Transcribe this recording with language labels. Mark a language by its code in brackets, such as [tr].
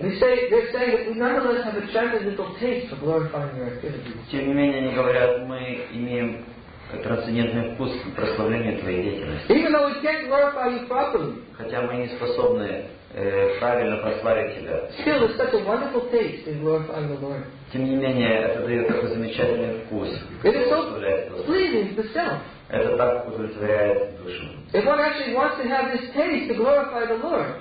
[en] They're saying that we nonetheless have a transcendental taste for glorifying their activities. [ru] Тем не менее, они говорят, мы имеем трансцендентный вкус прославления твоей деятельности. [en] Even though we can't glorify you properly. [ru] Хотя мы не способны правильно прославить тебя. [en] Still, it's such a wonderful taste in glorifying the Lord. [ru] Тем не менее, это дает такой замечательный вкус. [en] It is so pleasing to self. [ru] Это так удовлетворяет душу. [en] If one actually wants to have this taste to glorify the Lord.